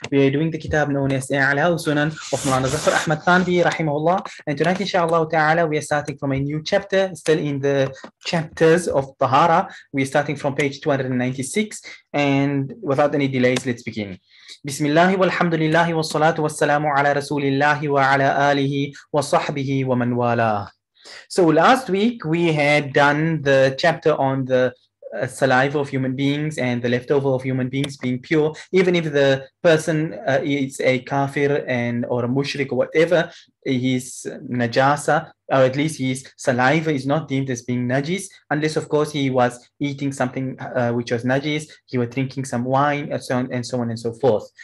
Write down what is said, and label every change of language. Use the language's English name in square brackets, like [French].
[English] We are doing the kitab known as I'la wa Sunan of Mulana Zafar Ahmad Thanvi rahimahullah, and tonight inshallah ta'ala we are starting from a new chapter, still in the chapters of Tahara. We are starting from page 296, and without any delays, let's begin. [Arabic] بسم الله والحمد لله والصلاة والسلام على رسول الله وعلى آله وصحبه ومن والاه. [English] So last week we had done the chapter on the saliva of human beings and the leftover of human beings being pure, even if the person is a kafir and or a mushrik or whatever, his najasa, or at least his saliva is not deemed as being najis, unless of course he was eating something which was najis, he was drinking some wine and so on and so forth.